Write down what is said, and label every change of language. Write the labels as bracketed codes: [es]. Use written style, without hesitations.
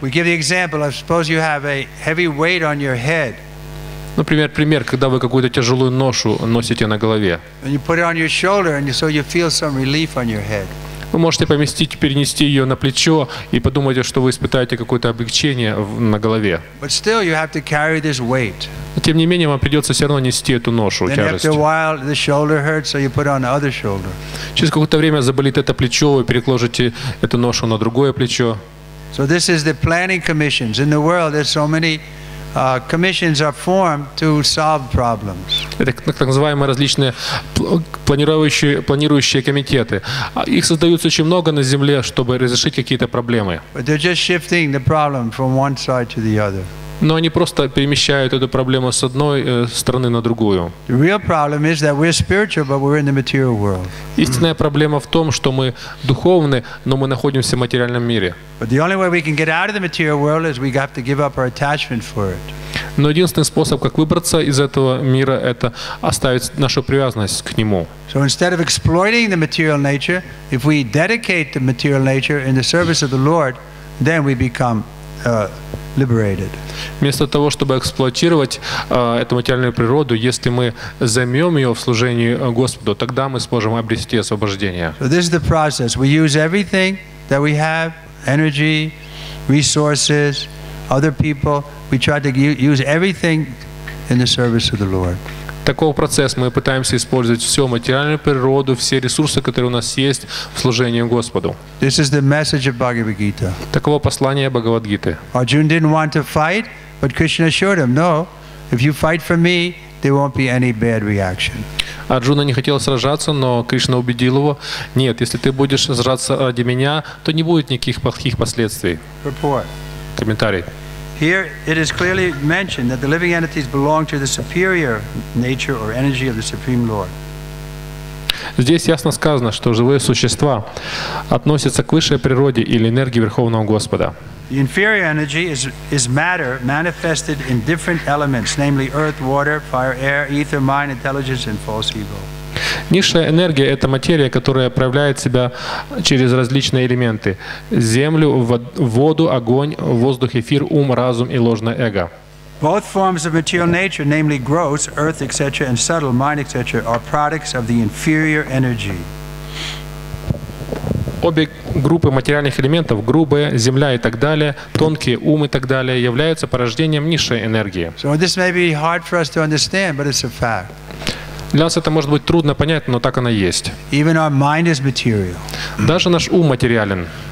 [en] We give the example. I suppose you have a heavy weight on your head. [ru] Например, пример, когда вы какую-то тяжелую ношу носите на голове. [en] And you put it on your shoulder, and so you feel some relief on your head. [ru] Вы можете поместить, перенести ее на плечо и подумайте, что вы испытаете какое-то облегчение на голове. [en] But still you have to carry this weight. [ru] Тем не менее, вам придется все равно нести эту ношу, тяжесть. Через какое-то время заболит это плечо, вы переложите эту ношу на другое плечо. [en] So this is the planning commissions. In the world there's so many commissions are formed to solve problems. [ru] Это так называемые различные планирующие комитеты. Их создаются очень много на Земле, чтобы разрешить какие-то проблемы. [en] But they're just shifting the problem from one side to the other. [ru] Но они просто перемещают эту проблему с одной стороны на другую. [en] The real problem is that we're spiritual, but we're in the material world. [ru] Истинная проблема в том, что мы духовны, но мы находимся в материальном мире. [en] But the only way we can get out of the material world is we have to give up our attachment for it. [ru] Но единственный способ, как выбраться из этого мира, это оставить нашу привязанность к нему. [en] So instead of exploiting the material nature, if we dedicate the material nature in the service of the Lord, then we become liberated. [ru] Вместо того, чтобы эксплуатировать эту материальную природу, если мы займем ее в служении Господу, тогда мы сможем обрести освобождение. [en] So this is the process. We use everything that we have, energy, resources, other people. We try to use everything in the service of the Lord. [ru] Такой процесс. Мы пытаемся использовать всю материальную природу, все ресурсы, которые у нас есть, в служении Господу. [en] This is the message of Bhagavad Gita. [ru] Таково послание Бхагавад Гиты. [en] Arjuna didn't want to fight, but Krishna assured him, no, if you fight for me, there won't be any bad reaction. [ru] Арджуна не хотел сражаться, но Кришна убедил его, нет, если ты будешь сражаться ради меня, то не будет никаких плохих последствий. [en] Report. [ru] Комментарий. [en] Here it is clearly mentioned that the living entities belong to the superior nature or energy of the Supreme Lord. [ru] Здесь ясно сказано, что живые существа относятся к высшей природе или энергии Верховного Господа. [en] The inferior energy is matter manifested in different elements, namely earth, water, fire, air, ether, mind, intelligence and false ego. [ru] Низшая энергия – это материя, которая проявляет себя через различные элементы – землю, воду, огонь, воздух, эфир, ум, разум и ложное эго. [en] Both forms of material nature, namely gross, earth, etc., and subtle, mind, etc., are products of the inferior energy. [ru] Обе группы материальных элементов – грубые, земля и так далее, тонкие, ум и так далее – являются порождением низшей энергии. [en] So this may be hard for us to understand, but it's a fact. [ru] Для нас это может быть трудно понять, но так оно есть. Даже наш ум материален.